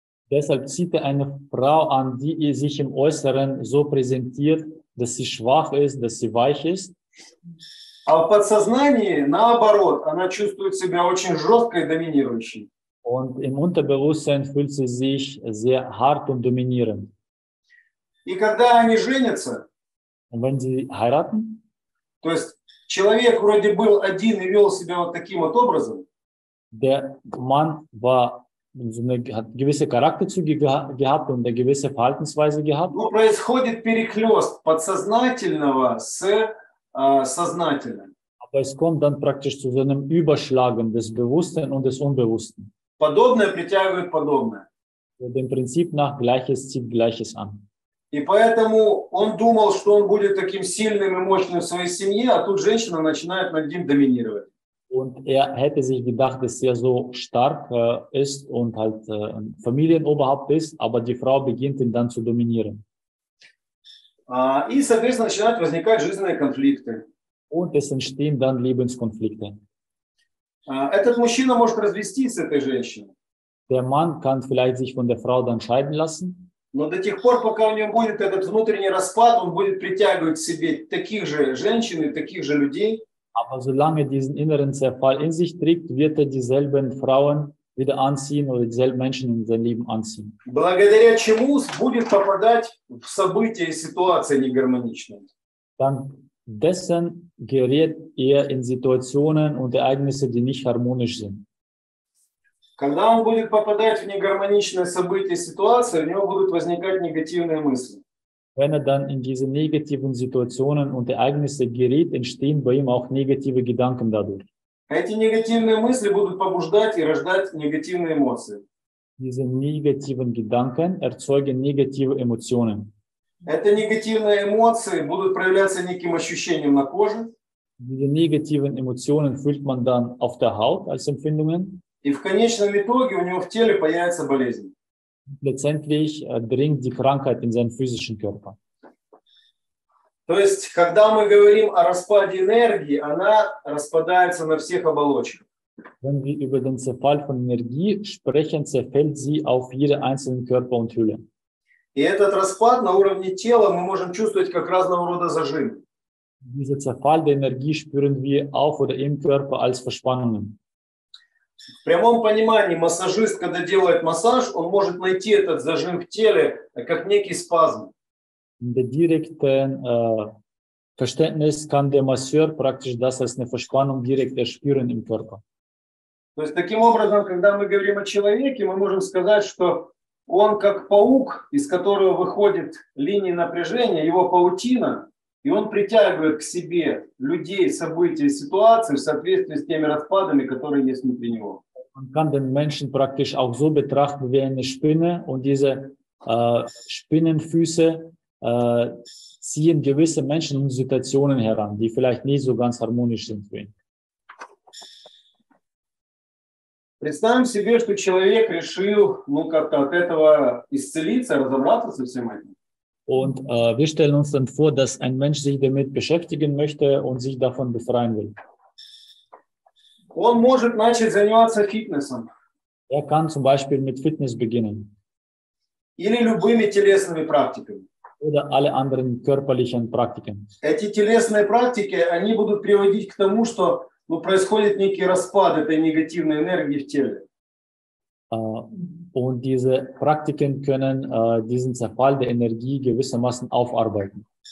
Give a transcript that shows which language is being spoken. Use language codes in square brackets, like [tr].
[de] Deshalb zieht er eine Frau an, die er sich im Äußeren so präsentiert, dass sie schwach ist, dass sie weich ist. [ru] А в подсознании, наоборот, она чувствует себя очень жестко и доминирующей. [de] Und im Unterbewusstsein fühlt sie sich sehr hart und dominierend. [ru] И когда они женятся, [de] und wenn sie heiraten, [ru] то есть человек вроде был один и вел себя вот таким вот образом, [de] der Mann war, hat gewisse Charakterzüge gehabt und eine gewisse Verhaltensweise gehabt, [ru] но происходит перехлёст подсознательного с сознательным. [de] Aber es kommt dann praktisch zu einem Überschlagen des Bewussten und des Unbewussten. [ru] Подобное притягивает подобное. [de] So, dem Prinzip nach Gleiches zieht Gleiches an. [ru] И поэтому он думал, что он будет таким сильным и мощным в своей семье, а тут женщина начинает над ним доминировать. [de] Und er hätte sich gedacht, dass er so stark ist und halt Familienoberhaupt ist, aber die Frau beginnt ihn dann zu dominieren. [ru] И, соответственно, начинают возникать жизненные конфликты. [de] Und es entstehen dann Lebenskonflikte. [ru] Этот мужчина может развестись с этой женщиной. [de] Der Mann kann vielleicht sich von der Frau dann scheiden lassen. [ru] Но до тех пор, пока у него будет этот внутренний распад, он будет притягивать к себе таких же женщин и таких же людей. [de] Aber solange diesen inneren Zerfall in sich trägt, wird er dieselben Frauen wieder anziehen oder dieselben Menschen in sein Leben anziehen. [ru] Благодаря чему будет попадать в события и ситуации негармоничные. [de] Dank dessen gerät er in Situationen und Ereignisse, die nicht harmonisch sind. [ru] Когда он будет попадать в негармоничные события и ситуации, у него будут возникать негативные мысли. [de] Wenn er dann in diese negativen Situationen und Ereignisse gerät, entstehen bei ihm auch negative Gedanken dadurch. [ru] Эти негативные мысли будут побуждать и рождать негативные эмоции. [de] Diese negativen Gedanken erzeugen negative Emotionen. [ru] Эти негативные эмоции будут проявляться неким ощущением на коже. [de] Diese negativen Emotionen fühlt man dann auf der Haut als Empfindungen. [ru] И в конечном итоге у него в теле появится болезнь. [de] Letztendlich dringt die Krankheit in seinen physischen Körper. [ru] То есть, когда мы говорим о распаде энергии, она распадается на всех оболочках. [de] Wenn wir über den Zerfall von Energie sprechen, zerfällt sie auf ihre einzelnen Körper und Hülle. [ru] И этот распад на уровне тела мы можем чувствовать как разного рода зажим. [de] Diesen Zerfall der Energie spüren wir auf oder im Körper als Verspannungen. [ru] В прямом понимании массажист, когда делает массаж, он может найти этот зажим в теле как некий спазм. [de] In der direkten Verständnis kann der Masseur praktisch das als eine Verspannung direkt erspüren im Körper. [ru] То есть, таким образом, когда мы говорим о человеке, мы можем сказать, что он как паук, из которого выходит линия напряжения, его паутина, и он притягивает к себе людей, события, ситуации в соответствии с теми распадами, которые есть внутри него. [de] Man kann den Menschen praktisch auch so betrachten wie eine Spinne, und diese Spinnenfüße ziehen gewisse Menschen in Situationen heran, die vielleicht nicht so ganz harmonisch sind für ihn. [ru] Представим себе, что человек решил, ну, как-то от этого исцелиться, разобраться со всем этим. [de] Und wir stellen uns dann vor, dass ein Mensch sich damit beschäftigen möchte und sich davon befreien will. [ru] Он может начать заниматься фитнесом. [de] Er kann zum Beispiel mit Fitness beginnen. [ru] Или любыми телесными практиками. [de] Oder alle anderen körperlichen Praktiken. [ru] Эти телесные практики, они будут приводить к тому, что ну, происходит некий распад этой негативной энергии в теле. [de] Und diese Praktiken können diesen Zerfall der Energie gewissermaßen aufarbeiten.